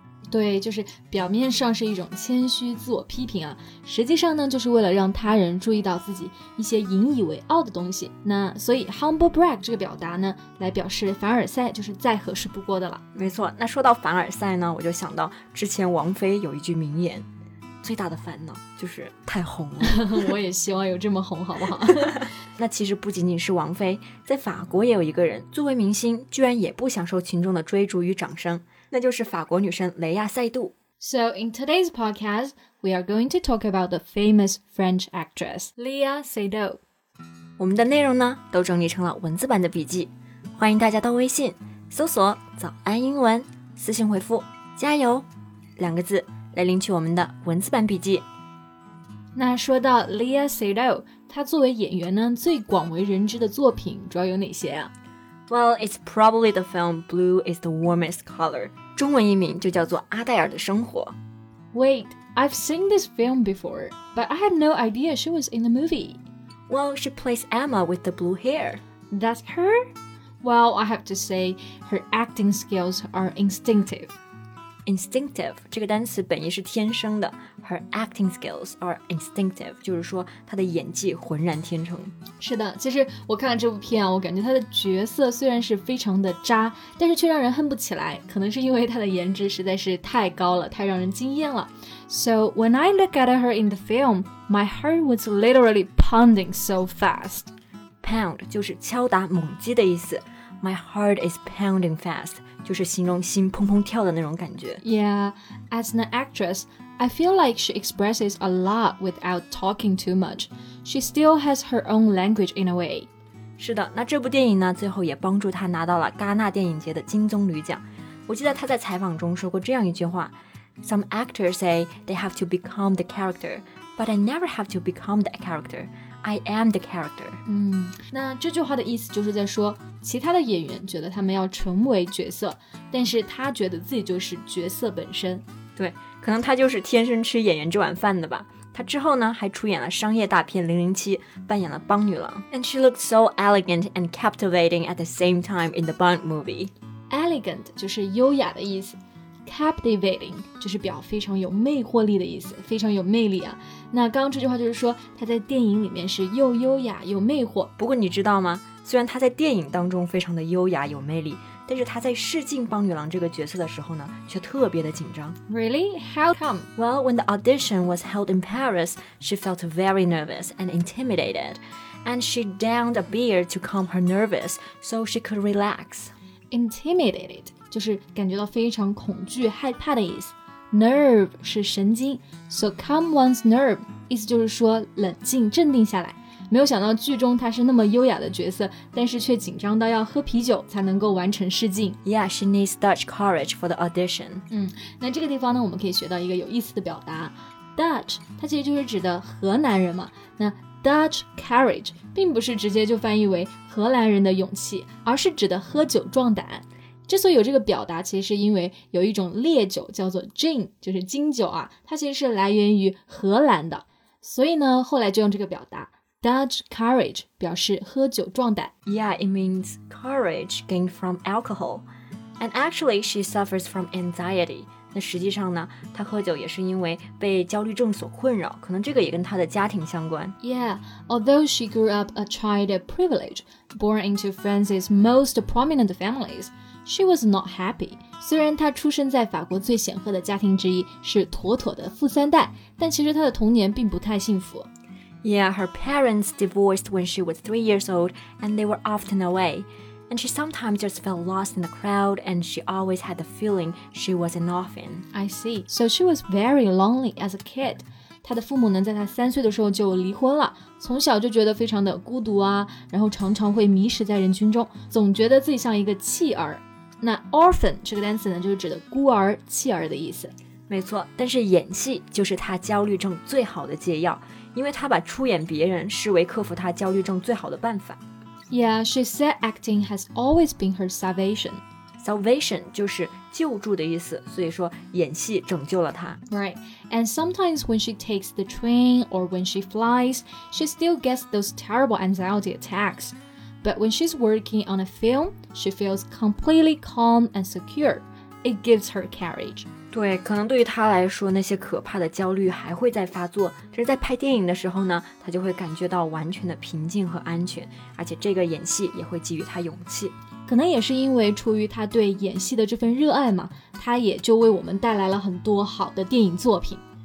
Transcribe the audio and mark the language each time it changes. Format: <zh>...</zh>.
<zh>对，就是表面上是一种谦虚自我批评啊，实际上呢就是为了让他人注意到自己一些引以为傲的东西。那所以 humble brag 这个表达呢来表示凡尔赛就是再合适不过的了。没错，那说到凡尔赛呢，我就想到之前王菲有一句名言，最大的烦恼就是太红了。我也希望有这么红好不好。那其实不仅仅是王菲，在法国也有一个人作为明星居然也不享受群众的追逐与掌声，那就是法国女神雷亚塞杜。</zh> <en>So in today's podcast, we are going to talk about the famous French actress Léa Seydoux.</en> <zh>我们的内容呢都整理成了文字版的笔记，欢迎大家到微信搜索早安英文，私信回复加油两个字来领取我们的文字版笔记。那说到 Léa Seydoux， 她作为演员呢最广为人知的作品主要有哪些啊？</zh> <en>Well, it's probably the film Blue is the Warmest Color.</en> <zh>中文译名就叫做阿黛尔的生活。</zh> <en>Wait, I've seen this film before, but I had no idea she was in the movie. Well, she plays Emma with the blue hair. That's her? Well, I have to say, her acting skills are instinctive.</en> <zh>Instinctive, 这个单词本意是天生的。</zh> <en>Her acting skills are instinctive,</en> <zh>就是说她的演技浑然天成。是的，其实我看了这部片啊，我感觉她的角色虽然是非常的渣，但是却让人恨不起来，可能是因为她的颜值实在是太高了，太让人惊艳了。</zh> <en>So when I look at her in the film, my heart was literally pounding so fast.</en> <zh>Pound 就是敲打猛击的意思。</zh> <en>My heart is pounding fast,</en> <zh>就是形容心砰砰跳的那种感觉。</zh> <en>Yeah, as an actress, I feel like she expresses a lot without talking too much. She still has her own language in a way.</en> <zh>是的，那这部电影呢，最后也帮助她拿到了戛纳电影节的金棕榈奖。我记得她在采访中说过这样一句话，</zh> <en>Some actors say they have to become the character, but I never have to become that character. I am the character.</en> <zh>那这句话的意思就是在说，其他的演员觉得他们要成为角色，但是他觉得自己就是角色本身。对，可能他就是天生吃演员这碗饭的吧。他之后呢，还出演了商业大片《007》，扮演了邦女郎。</zh> <en>And she looked so elegant and captivating at the same time in the Bond movie.</en> <zh>Elegant 就是优雅的意思。Captivating 就是表非常有魅惑力的意思，非常有魅力啊。那刚刚这句话就是说，他在电影里面是又优雅又魅惑。不过你知道吗？虽然他在电影当中非常的优雅有魅力，但是他在试镜邦女郎这个角色的时候呢，却特别的紧张。</zh> <en>Really? How come? Well, when the audition was held in Paris, she felt very nervous and intimidated. And she downed a beer to calm her nervous so she could relax.</en> <zh>Intimidated 就是感觉到非常恐惧害怕的意思。 Nerve 是神经，</zh> <en>so calm one's nerve</en> <zh>意思就是说冷静镇定下来。没有想到剧中她是那么优雅的角色，但是却紧张到要喝啤酒才能够完成试镜。</zh> <en>Yeah, she needs Dutch courage for the audition.</en> <zh>嗯，那这个地方呢，我们可以学到一个有意思的表达。Dutch 它其实就是指的荷兰人嘛，那Dutch courage 并不是直接就翻译为荷兰人的勇气，而是指的喝酒壮胆。之所以有这个表达，其实是因为有一种烈酒叫做 gin， 就是金酒啊，它其实是来源于荷兰的，所以呢后来就用这个表达 Dutch courage 表示喝酒壮胆。</zh> <en>Yeah, it means courage gained from alcohol. And actually she suffers from anxiety.</en> <zh>那实际上呢，他喝酒也是因为被焦虑症所困扰，可能这个也跟他的家庭相关。</zh> <en>Yeah, although she grew up a child of privilege, born into France's most prominent families, she was not happy.</en> <zh>虽然她出生在法国最显赫的家庭之一，是妥妥的富三代，但其实她的童年并不太幸福。</zh> <en>Yeah, her parents divorced when she was 3 years old, and they were often away. And she sometimes just felt lost in the crowd, and she always had the feeling she was an orphan. I see. So she was very lonely as a kid.</en> <zh>她的父母呢，在她3岁的时候就离婚了，从小就觉得非常的孤独啊，然后常常会迷失在人群中，总觉得自己像一个弃儿。那 orphan 这个单词呢，就是指的孤儿、弃儿的意思。没错，但是演戏就是她焦虑症最好的解药，因为她把出演别人视为克服她焦虑症最好的办法。</zh> <en>Yeah, she said acting has always been her salvation.</en> <zh>Salvation 就是救助的意思，所以说演戏拯救了她。</zh> <en>Right, and sometimes when she takes the train or when she flies, she still gets those terrible anxiety attacks. But when she's working on a film, she feels completely calm and secure. It gives her courage.</en> <zh>对，可能对于他来说，那些可怕的焦虑还会再发作，但是在拍电影的时候呢，他就会感觉到完全的平静和安全，而且这个演戏也会给予他勇气。可能也是因为出于他对演戏的这份热爱嘛，他也就为我们带来了很多好的电影作品。</zh>